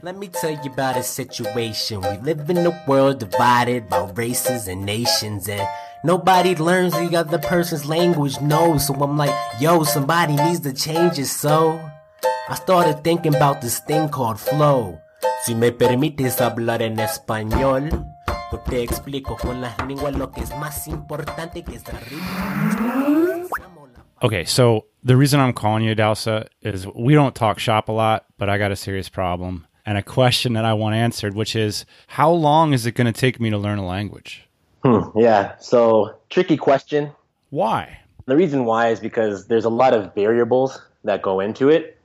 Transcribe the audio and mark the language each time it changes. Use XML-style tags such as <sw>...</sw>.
<en>Let me tell you about a situation. We live in a world divided by races and nations, and nobody learns the other person's language, no. So I'm like, yo, somebody needs to change it. So I started thinking about this thing called flow.</en> <es>Si me permites hablar en español, te explico con las lenguas lo que es más importante que es el ritmo.</es> <en>Okay, so the reason I'm calling you, Adalsa, is we don't talk shop a lot, but I got a serious problem and a question that I want answered, which is, how long is it going to take me to learn a language? Yeah, so tricky question. Why? The reason why is because there's a lot of variables that go into it.</en>